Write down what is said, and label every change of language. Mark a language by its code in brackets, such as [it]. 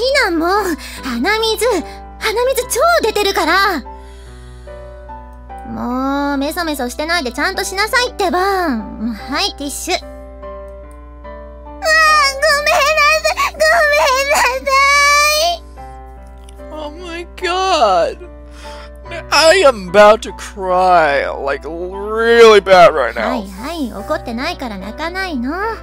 [ja] もう鼻水超出てるから、もうメソメソしてないでちゃんとしなさいってば。はい、ティッシュ。わあ、ごめんなさい、ごめんなさい。 [en] Oh my god, I am about to cry like really bad right now. [ja] はいはい、怒ってないから泣かないの。